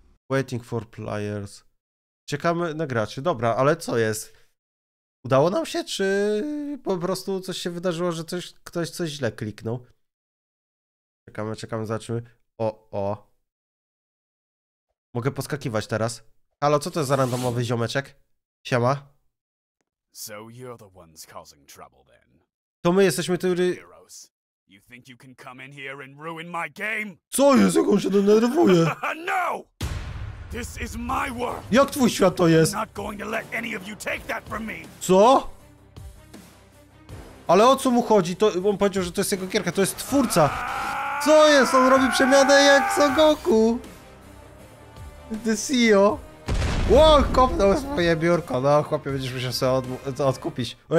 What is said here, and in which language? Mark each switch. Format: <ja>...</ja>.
<en>Waiting for players.</en> <pl>Czekamy na graczy. Dobra, ale co jest? Udało nam się, czy po prostu coś się wydarzyło, że ktoś coś źle kliknął? Czekamy, zobaczymy. O. Mogę poskakiwać teraz. Halo, co to jest za randomowy ziomeczek? Siema.</pl> <en>So you're the ones causing trouble then.</en> <pl>To my jesteśmy tutaj.</pl> <en>Heroes. You think you can come in here and ruin my game?</en> <pl>Co jest, jak on się denerwuje?</pl> <en>No! This is my world.</en> <pl>Jak twój świat to jest?</pl> <en>I'm not going to let any of you take that from me.</en> <pl>Co? Ale o co mu chodzi? To on powiedział, że to jest jego gierka, to jest twórca. Co jest? On robi przemianę jak Sogoku. The CEO. Wow, kopnął swoje biurko. No, chłopie, będziesz musiał sobie odkupić.</pl>